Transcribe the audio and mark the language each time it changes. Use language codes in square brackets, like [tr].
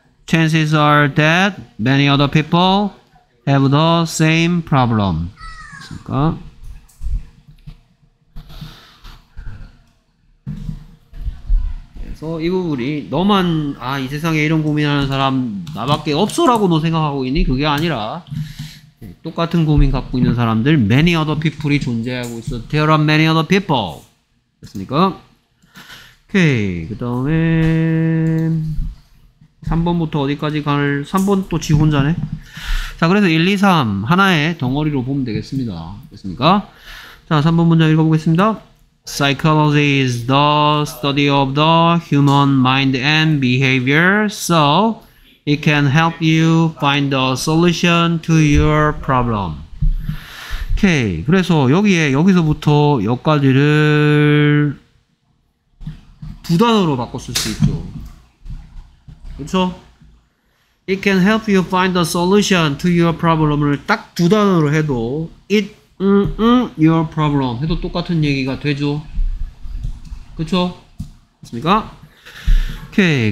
[en] Chances are that many other people have the same problem. [ko] 그러니까 그래서 이 부분이 너만 아, 이 세상에 이런 고민하는 사람 나밖에 없어라고 너 생각하고 있니? 그게 아니라 똑같은 고민 갖고 있는 사람들 [en] many other people [ko] 이 존재하고 있어. [en] There are many other people. [ko] 됐습니까? 오케이. 그 다음에 3번부터 어디까지 갈, 3번 또 지 혼자네. 자, 그래서 1, 2, 3. 하나의 덩어리로 보면 되겠습니다. 됐습니까? 자, 3번 문장 읽어보겠습니다. [en] Psychology is the study of the human mind and behavior. So, it can help you find a solution to your problem. [ko] 오케이. 그래서 여기에, 여기서부터 여기까지를 두 단어로 바꿨을 수 있죠. 그쵸? [en] It can help you find a solution to your problem [ko] 을 딱 두 단어로 해도 [en] it, your problem [ko] 해도 똑같은 얘기가 되죠. 그쵸? 맞습니까? 오케이.